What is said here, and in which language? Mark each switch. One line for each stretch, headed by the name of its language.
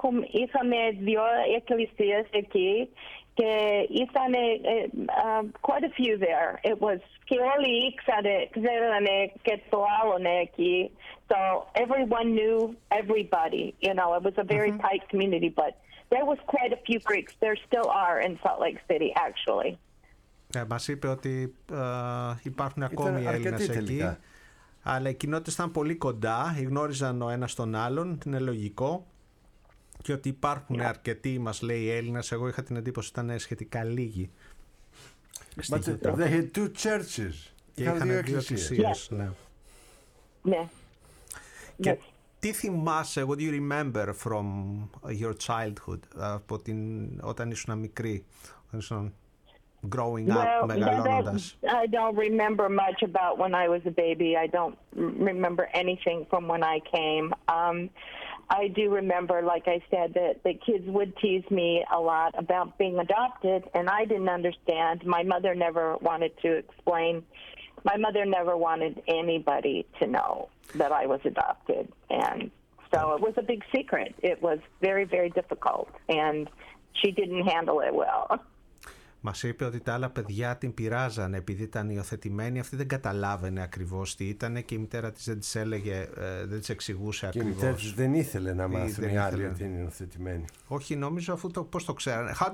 Greek: Είχαμε δύο εκκλησίες εκεί και ήταν
English: quite a few there. It was,
Greek: και όλοι ξέρανε και το άλλο εκεί.
English: So everyone knew everybody, you know, it was a very tight community, but there was quite a few Greeks. There still are in Salt Lake City, actually.
Greek: Μας είπε ότι υπάρχουν ακόμη Έλληνες εκεί. Αλλά οι κοινότητες ήταν πολύ κοντά, γνώριζαν ο ένας τον άλλον, είναι λογικό. Και ότι υπάρχουν αρκετοί, μας λέει, Έλληνες. Εγώ είχα την εντύπωση ότι ήταν σχετικά λίγοι.
English: But they had two churches.
Greek: Και είχαν δύο εκκλησίες. Ναι. Ναι. Τι θυμάσαι,
English: what do you remember from your childhood,
Greek: από την, όταν ήσουν μικρή, όταν ήσουν
English: growing up, well,
Greek: μεγαλώνοντας?
English: I don't remember much about when I was a baby. I don't remember anything from when I came. I do remember, like I said, that the kids would tease me a lot about being adopted, and I didn't understand. My mother never wanted anybody to know that I was adopted, and so it was a big secret. It was very, very difficult, and she didn't handle it well.
Greek: Μας είπε ότι τα άλλα παιδιά την πειράζανε επειδή ήταν υιοθετημένη. Αυτή δεν καταλάβαινε ακριβώς τι ήταν και η μητέρα της δεν της έλεγε, δεν της εξηγούσε ακριβώς. Και η μητέρα της δεν ήθελε να μάθουν οι άλλοι ότι είναι υιοθετημένη. Όχι, νομίζω αφού το πώς το ξέρανε.